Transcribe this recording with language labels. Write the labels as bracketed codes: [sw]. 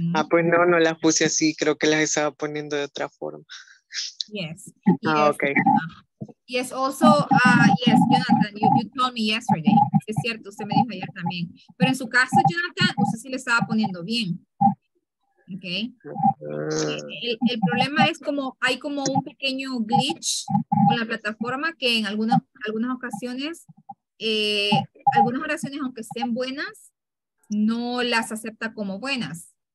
[es] Pues no las puse así, creo que las estaba poniendo de otra forma. [en] Yes. Okay. Yes, also, yes, Jonathan, you told me yesterday. [es] Es cierto, usted me dijo ayer también. Pero en su caso, Jonathan, usted sí le estaba poniendo bien. Okay. El problema es como hay como un pequeño glitch con la plataforma que en algunas ocasiones, algunas oraciones, aunque estén buenas, no las acepta como buenas.